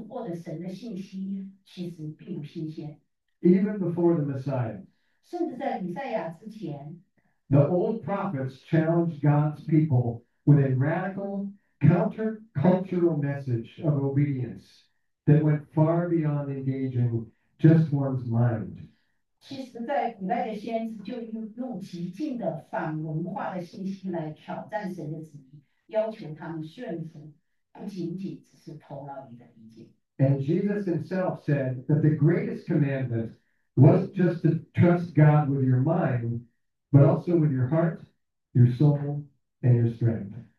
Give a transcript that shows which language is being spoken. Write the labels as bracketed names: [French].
[Chinese] 于是他在第十九节里面就引用了先知以赛亚的话来提醒哥林多人，这种令人困惑的神的信息其实并不新鲜。 [English] Even before the Messiah, [Chinese] 甚至在以赛亚之前, [English] the old prophets challenged God's people with a radical, counter-cultural message of obedience that went far beyond engaging just one's mind. [Chinese] 其实在古代的先知就用极尽的反文化的信息来挑战神的旨意，要求他们顺服，不仅仅只是头脑里的理解。 [English] And Jesus himself said that the greatest commandment wasn't just to trust God with your mind, but also with your heart, your soul, and your strength.